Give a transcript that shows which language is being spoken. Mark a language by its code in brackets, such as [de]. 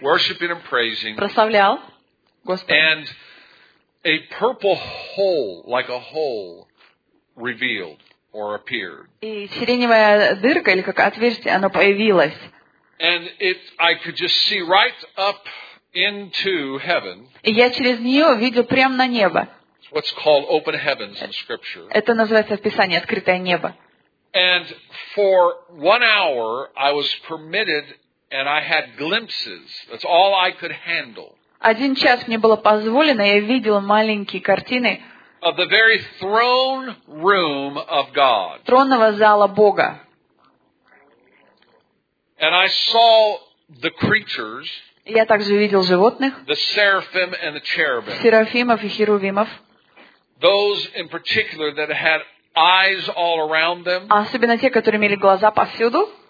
[en] Worshiping and praising. [ru] Прославлял Господа. [en] And a purple hole, like a hole, revealed or appeared. [ru] И сиреневая дырка или как отверстие, оно появилось. [en] And it, I could just see right up into heaven. [ru] И я через нее видел прямо на небо. [en] What's called open heavens in scripture. [ru] Это называется в Писании открытое небо. [en] And for 1 hour, I was permitted, and I had glimpses. That's all I could handle. [ru] Один час мне было позволено, я видел маленькие картины. [en] Of the very throne room of God. [ru] Тронного зала Бога. [en] And I saw the creatures. [ru] Я также видел животных. [en] The seraphim and the cherubim. [ru] Серафимов и херувимов. [en] Those in particular that had eyes all around them. [ru] Особенно те, которые имели глаза повсюду.